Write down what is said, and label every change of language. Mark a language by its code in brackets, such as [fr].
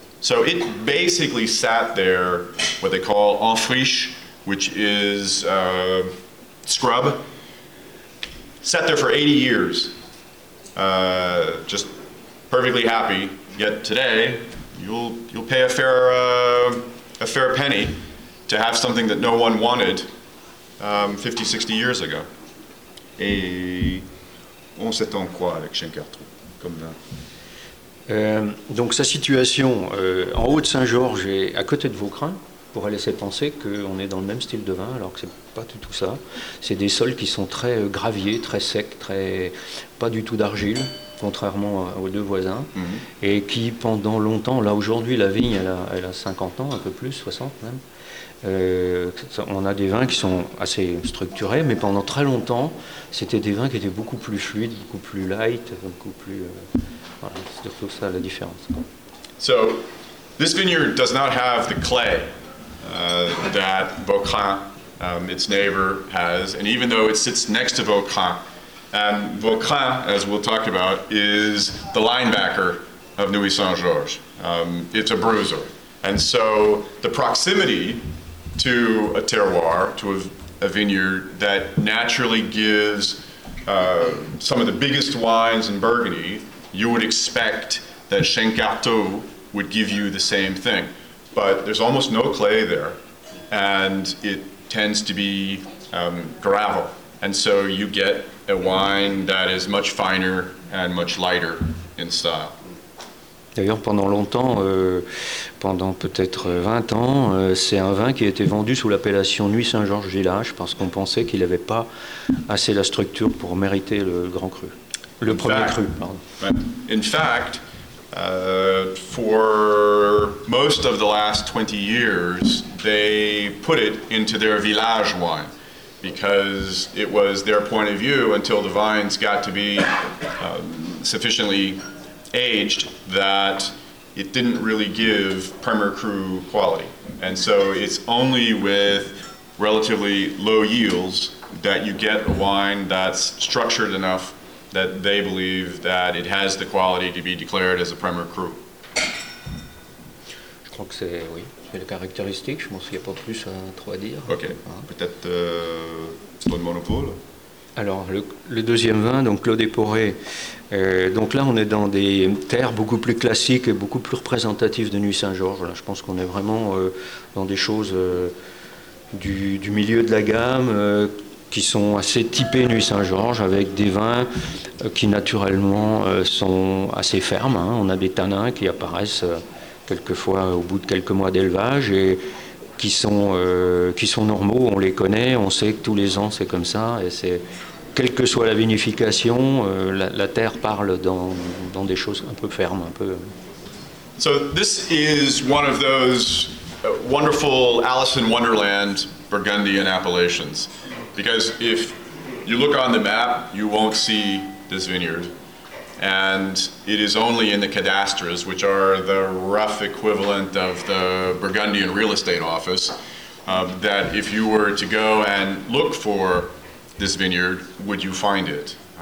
[en] So it basically sat there, what they call en friche, which is scrub, sat there for 80 years, just perfectly happy. Yet today, you'll pay a fair penny to have something that no one wanted 50, 60 years ago. [fr] On s'étend quoi avec Chêne Carteau comme vin? Donc sa situation en haut de Saint-Georges et à côté de Vaucrin, pourrait laisser penser qu'on est dans le même style de vin, alors que c'est pas du tout ça. C'est des sols qui sont très graviers, très secs, très pas du tout d'argile, contrairement aux deux voisins, et qui pendant longtemps, là aujourd'hui la vigne elle a 50 ans, un peu plus, 60 même, on a des vins qui sont assez structurés, mais pendant très longtemps, c'était des vins qui étaient beaucoup plus fluides, beaucoup plus light, beaucoup plus... voilà, c'est surtout ça la différence. [en] So, this vineyard does not have the clay that Vauquelin, its neighbor, has, and even though it sits next to Vauquelin, and Vauquelin, as we'll talk about, is the linebacker of Neuilly-Saint-Georges. It's a bruiser. And so the proximity to a terroir, to a vineyard that naturally gives some of the biggest wines in Burgundy, you would expect that Chenin-Carteau would give you the same thing. But there's almost no clay there, and it tends to be gravel. And so you get a wine that is much finer and much lighter in style. [fr] D'ailleurs, pendant longtemps, pendant peut-être 20 ans, c'est un vin qui a été vendu sous l'appellation Neuilly-Saint-Georges-Village parce qu'on pensait qu'il n'avait pas assez la structure pour mériter le grand cru. Le premier cru, pardon. [en] In fact, for most of the last 20 years, they put it into their village wine, because it was their point of view until the vines got to be sufficiently aged that it didn't really give premier cru quality. And so it's only with relatively low yields that you get a wine that's structured enough that they believe that it has the quality to be declared as a premier cru. [fr] Je crois que c'est, oui. C'est les caractéristiques, je pense qu'il n'y a pas plus à trop à dire. Ok, hein? Peut-être bonne monopole. Alors, le deuxième vin, donc Claude Eporé. Donc là, on est dans des terres beaucoup plus classiques et beaucoup plus représentatives de Neuilly-Saint-Georges. Là, je pense qu'on est vraiment dans des choses du milieu de la gamme qui sont assez typées Neuilly-Saint-Georges, avec des vins qui naturellement sont assez fermes. Hein. On a des tanins qui apparaissent... quelquefois au bout de quelques mois d'élevage et qui sont normaux, on les connaît, on sait que tous les ans c'est comme ça et c'est quelle que soit la vinification, la terre parle dans des choses un peu fermes, un peu. [en] So this is one of those wonderful Alice in Wonderland Burgundian appellations, because if you look on the map, you won't see this vineyard. And it is only in the cadastres, which are the rough equivalent of the Burgundian real estate office, that if you were to go and look for this vineyard, would you find it?